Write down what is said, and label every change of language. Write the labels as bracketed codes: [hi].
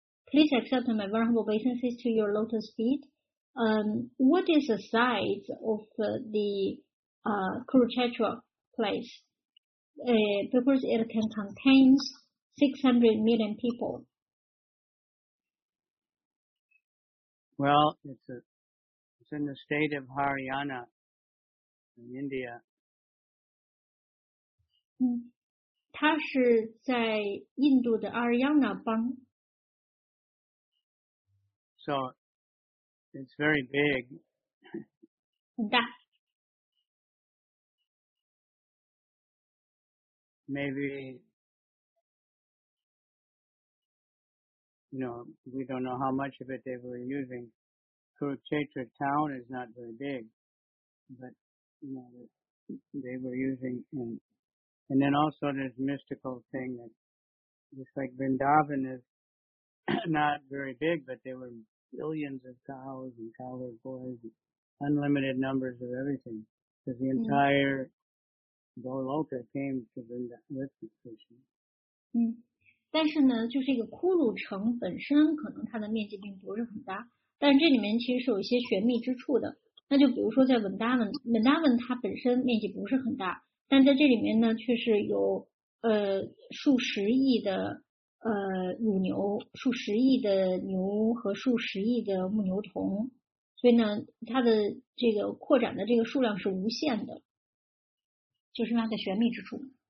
[en] Please accept my vulnerable obeisances to your lotus feet. What is the size of the Kurukshetra place? Because it can contain 600 million people. Well, it's in the state of Haryana in India. [zh] 它是在印度的阿尔扬纳邦。 [en] So, it's very big. [zh] 很大。 [en] Maybe, you know, we don't know how much of it they were using. Kurukshetra town is not very big, but you know, they were using, and then also there's a mystical thing that just like Vrindavan is not very big, but there were billions of cows and cowherd boys, unlimited numbers of everything, because the entire Goloka came to Vrindavan. Mm-hmm. [zh] 但是呢，就是一个骷髅城本身，可能它的面积并不是很大。但这里面其实是有一些玄秘之处的，那就比如说在文达文它本身面积不是很大，但在这里面呢却是有数十亿的乳牛，数十亿的牛和数十亿的牧牛童，所以呢它的这个扩展的这个数量是无限的，就是它的玄秘之处。